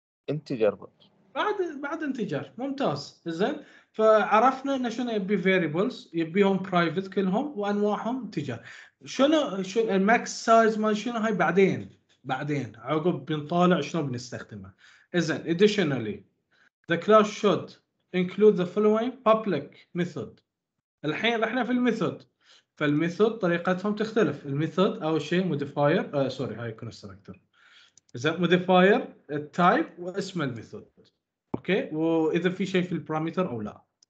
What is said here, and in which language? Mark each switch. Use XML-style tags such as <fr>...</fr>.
<ar>انتجر. بعد انتجر. ممتاز، إذن فعرفنا إن شنو يبي variables، يبيهم private كلهم وأنواعهم انتجر. شنو max size ما شنو هاي؟ بعدين عقب بنطالع شنو بنستخدمه.</ar> <en>إذن additionally the class should include the following public method.</en> <ar>الحين رحنا في الميثود، فالميثود طريقتهم تختلف. الميثود اول شيء modifier sorry هاي constructor. اذا modifier التايب واسم الميثود. اوكي، واذا في شيء في البارامتر او لا.</ar>